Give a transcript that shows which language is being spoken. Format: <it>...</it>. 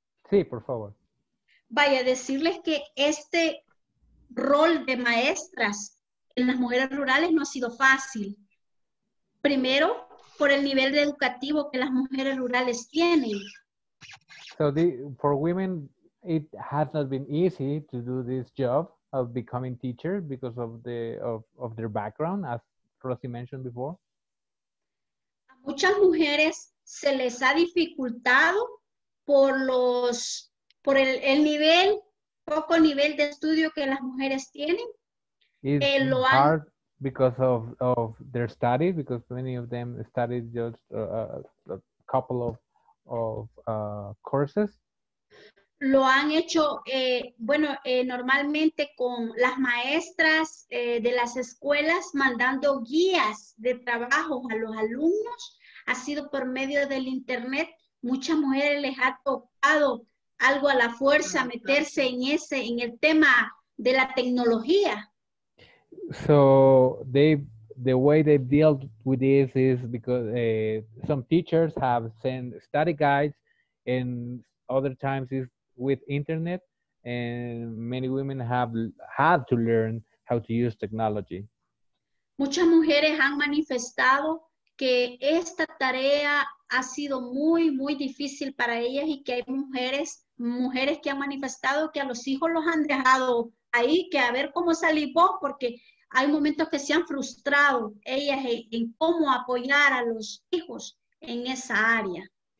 <es>Sí, por favor. Vaya, decirles que este rol de maestras en las mujeres rurales no ha sido fácil. Primero, por el nivel educativo que las mujeres rurales tienen.</es> <en>So, for women it has not been easy to do this job of becoming teacher because of the of their background, as Rosy mentioned before.</en> <es>A muchas mujeres se les ha dificultado por los por el nivel poco nivel de estudio que las mujeres tienen.</es> <en>It's hard because of their study, because many of them studied just a couple of courses.</en> <es>Lo han hecho, normalmente con las maestras de las escuelas mandando guías de trabajo a los alumnos. Ha sido por medio del internet. Muchas mujeres les ha tocado algo a la fuerza meterse en el tema de la tecnología.</es> <en>So the way they dealt with this is because some teachers have sent study guides, and other times is with internet, and many women have had to learn how to use technology.</en> <es>Muchas mujeres han manifestado que esta tarea ha sido muy, muy difícil para ellas, y que hay mujeres que han manifestado que a los hijos los han dejado ahí, que a ver cómo salís vos, porque hay momentos que se han frustrado ellas en cómo apoyar a los hijos en esa área.</es>